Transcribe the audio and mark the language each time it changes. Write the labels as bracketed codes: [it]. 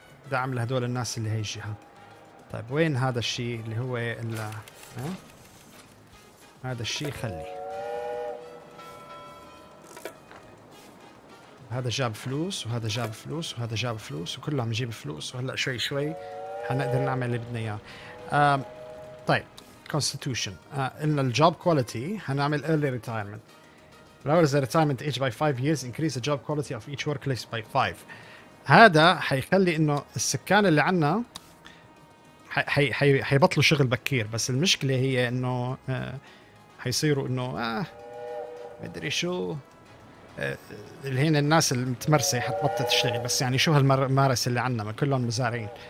[ar] دعم لهدول الناس اللي هي الجهة. طيب وين هذا الشيء اللي هو ال هذا الشيء خلي هذا جاب فلوس وهذا جاب فلوس وهذا جاب فلوس وكله عم يجيب فلوس وهلا شوي شوي حنقدر نعمل اللي بدنا اياه. طيب constitution ان الجوب كواليتي هنعمل early retirement. [en] Lowers the retirement age by 5 years, increase the job quality of each workplace by 5. [ar] هذا حيخلي انه السكان اللي عنا حيبطلوا شغل بكير، بس المشكلة هي انه حيصيروا انه مدري شو اللي هنا الناس المتمرسة حتبطل تشتغل، بس يعني شو هالمارس اللي عنا ما كلهم مزارعين.